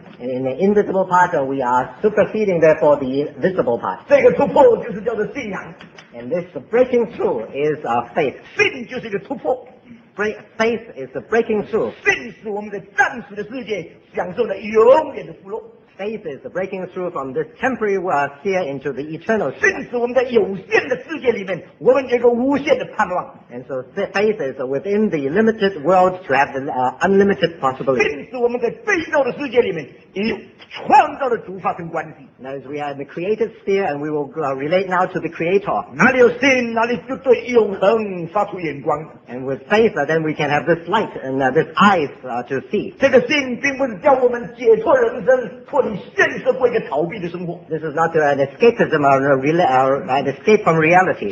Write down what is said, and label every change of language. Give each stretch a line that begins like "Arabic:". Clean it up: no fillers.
English: And in the invisible part, we are superseding therefore the visible part.
Chinese: 这个突破就是叫做信仰。
English: And this breaking through is our faith.
Chinese: 信就是一个突破。
English: faith is the breaking through.
Chinese: 信使我们在暂时的世界享受了永远的福禄。
English: Faith is the breaking through from this temporary sphere into the eternal sphere.
Chinese: 信使我们在有限的世界里面，我们有一个无限的盼望。
English: And so faith is within the limited world to have the unlimited possibility.
Chinese: 信使我们在被造的世界里面与创造的主发生关系。
English: Now as we are in the created sphere and we will relate now to the Creator.
Chinese: 哪里有信，哪里就对永恒发出眼光。
English: And with faith, then we can have this light and this eyes to see.
Chinese: 这个信并不是叫我们解脱人生。
English: This is not an escapism or an escape from reality.